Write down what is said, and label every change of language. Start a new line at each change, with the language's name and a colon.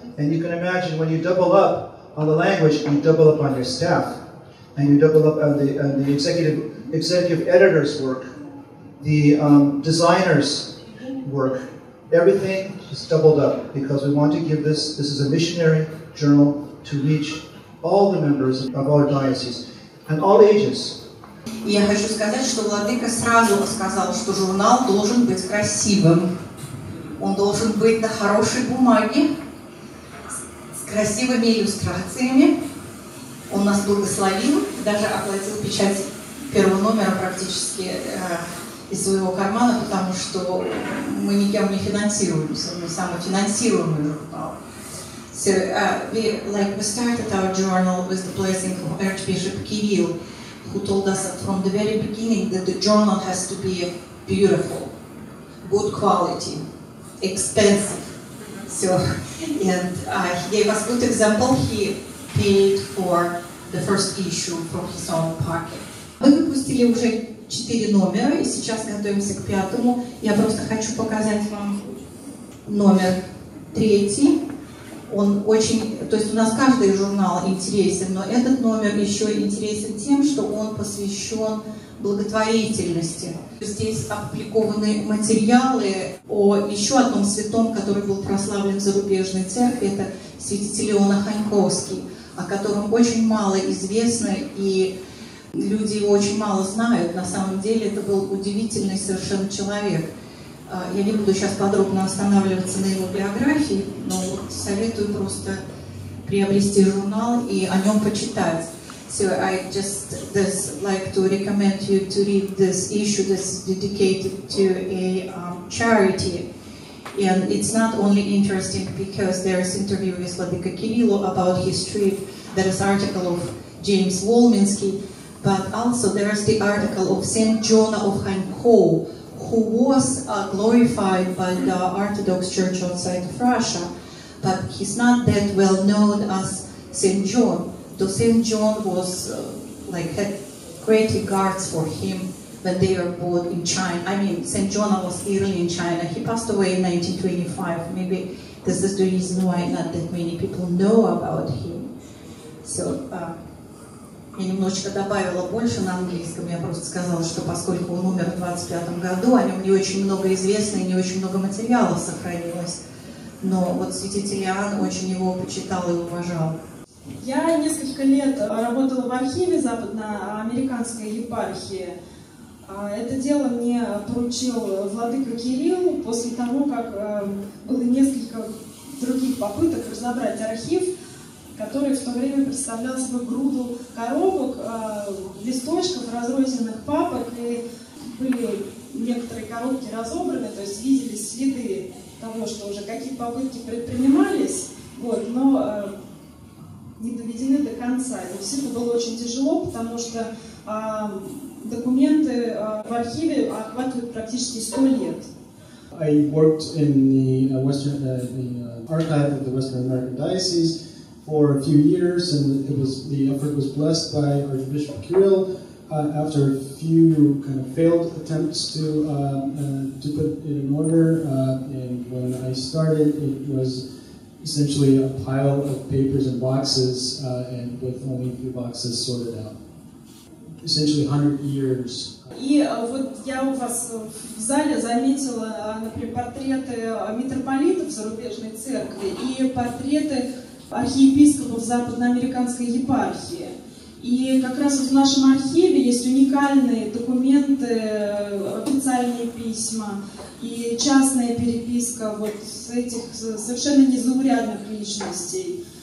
English: And you can imagine when you double up on the language, you double up on your staff, and you double up on the executive editor's work, the designer's work, everything is doubled up because we want to give this is a missionary journal to reach all the members of our diocese and all ages.
Russian: Я хочу сказать, что Владыка сразу сказал, что журнал должен быть красивым. Он должен быть на хорошей бумаге, с красивыми иллюстрациями. Он нас благословил, даже оплатил печать первого номера практически из своего кармана, потому что мы никем не финансируемся, мы самофинансируемый журнал.
English: So, we started our journal with the blessing of Archbishop Kirill, who told us from the very beginning that the journal has to be beautiful, good quality, expensive. So, and he gave us a good example. He paid for the first issue from his own pocket.
Russian: Мы выпустили уже 4 номера, и сейчас готовимся к пятому. Я просто хочу показать вам номер 3. Он очень, то есть у нас каждый журнал интересен, но этот номер еще интересен тем, что он посвящен благотворительности. Здесь опубликованы материалы о еще одном святом, который был прославлен в зарубежной церкви, это святитель Иоанн Ханьковский, о котором очень мало известно, и люди его очень мало знают. На самом деле это был удивительный совершенно человек. Я не буду сейчас подробно останавливаться на его биографии, но советую просто приобрести журнал и о нем почитать.
English: So I just this like to recommend you to read this issue that's dedicated to a charity. And it's not only interesting because there is interview with Владыка Кирилло about his trip, there is article of James Волминский, but also there is the article of Saint John of Ханьков, who was glorified by the Orthodox Church outside of Russia, but he's not that well known as Saint John. Though Saint John was had great regards for him when they were born in China. I mean, Saint John was early in China. He passed away in 1925. Maybe this is the reason why not that many people know about him. So.
Russian: Я немножечко добавила больше на английском, я просто сказала, что поскольку он умер в 25-м году, о нем не очень много известно и не очень много материалов сохранилось. Но вот святитель Иоанн очень его почитал и уважал. Я несколько лет работала в архиве западноамериканской епархии. Это дело мне поручил Владыка Кирилл после того, как было несколько других попыток разобрать архив, который в то время представлял собой груду коробок, листочков, разрозненных папок, и были некоторые коробки разобраны, то есть виделись следы того, что уже какие попытки предпринимались, вот, но не доведены до конца. И все это было очень тяжело, потому что документы в архиве охватывают практически 100 лет.
English: I worked in the Western archive of the Western American Diocese for a few years, and it was the effort was blessed by Archbishop Kirill. After a few kind of failed attempts to put it in order, and when I started, it was essentially a pile of papers and boxes, and with only a few boxes sorted out. essentially 100 years.
Russian: И вот я у вас в зале заметила, например, портреты митрополитов зарубежной церкви и портреты архиепископов западноамериканской епархии. И как раз вот в нашем архиве есть уникальные документы, официальные письма и частная переписка вот с этих совершенно незаурядных личностей.